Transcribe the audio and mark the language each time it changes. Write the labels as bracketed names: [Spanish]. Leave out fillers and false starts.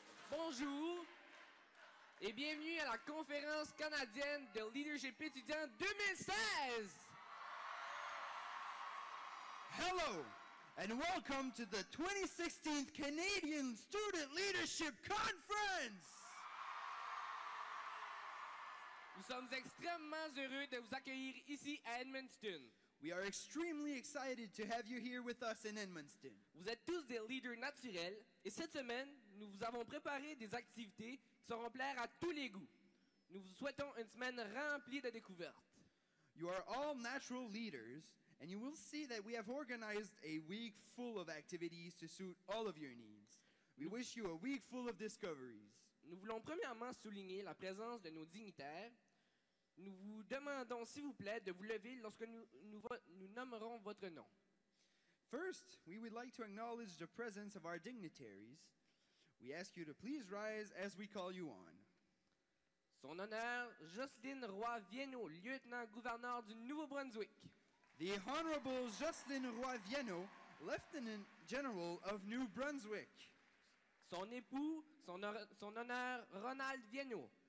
[French] Bonjour et bienvenue à la conférence canadienne de leadership étudiant 2016. [English] Hello and welcome to the 2016 Canadian Student Leadership Conference. [French] Nous sommes extrêmement heureux de vous accueillir ici à Edmundston. [English] We are extremely excited to have you here with us in Edmundston. [French] Vous êtes tous des leaders naturels et cette semaine, nous vous avons préparé des activités qui seront plaires à tous les goûts. Nous vous souhaitons une semaine remplie de découvertes. [English] You are all natural leaders and you will see that we have organized a week full of activities to suit all of your needs. We wish you a week full of discoveries. [French] Nous voulons premièrement souligner la présence de nos dignitaires. Nous vous demandons, s'il vous plaît, de vous lever lorsque nous nommerons votre nom. [English] First, we would like to acknowledge the presence of our dignitaries. We ask you to please rise as we call you on. [French] Son honneur, Jocelyne Roy-Viennot, lieutenant-gouverneur du Nouveau-Brunswick. [English] The Honorable Jocelyne Roy-Viennot, Lieutenant General of New Brunswick. [French] Son époux, son honneur, Ronald Viennot.